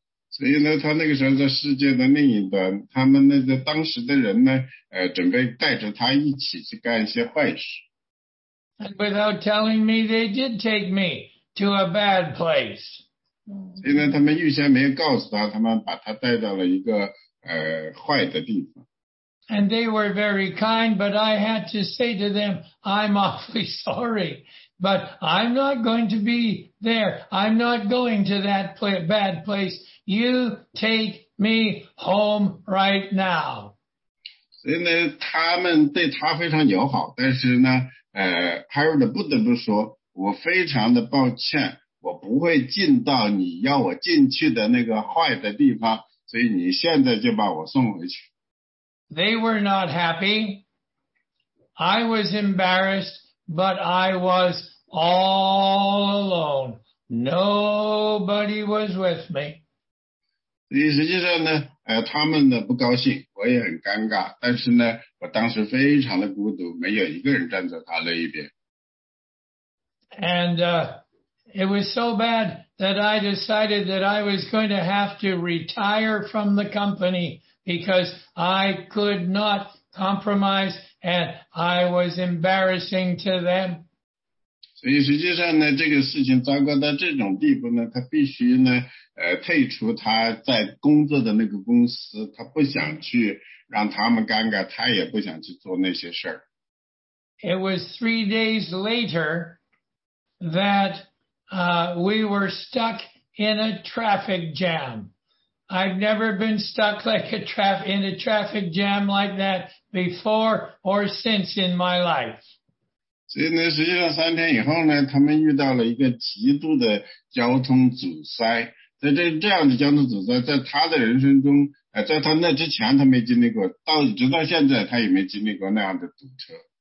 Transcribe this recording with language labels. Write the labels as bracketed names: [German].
[Chinese] 所以呢，他那个时候在世界的另一端，他们那个当时的人呢，准备带着他一起去干一些坏事。 [English] And without telling me, they did take me to a bad place. [Chinese] 所以呢，他们预先没有告诉他，他们把他带到了一个坏的地方。 [English] And they were very kind, but I had to say to them, I'm awfully sorry, but I'm not going to be there. I'm not going to that bad place. You take me home right now. [Chinese] 所以呢，他们对他非常友好，但是呢，Harold 不得不说，我非常的抱歉，我不会进到你要我进去的那个坏的地方。所以你现在就把我送回去。 [English] They were not happy. I was embarrassed, but I was all alone. Nobody was with me. [Chinese] 所以实际上呢，他们呢不高兴，我也很尴尬，但是呢，我当时非常的孤独，没有一个人站在他那一边。 [English] And, it was so bad that I decided that I was going to have to retire from the company because I could not compromise and I was embarrassing to them. [Chinese] 所以实际上呢，这个事情糟糕到这种地步呢，他必须呢，退出他在工作的那个公司，他不想去让他们尴尬，他也不想去做那些事儿。 [English] It was 3 days later that we were stuck in a traffic jam. I've never been stuck in a traffic jam like that before or since in my life. [Chinese] 所以呢，实际上3天以后呢，他们遇到了一个极度的交通阻塞。在这样的交通阻塞，在他的人生中，在他那之前他没经历过，直到现在他也没经历过那样的堵车。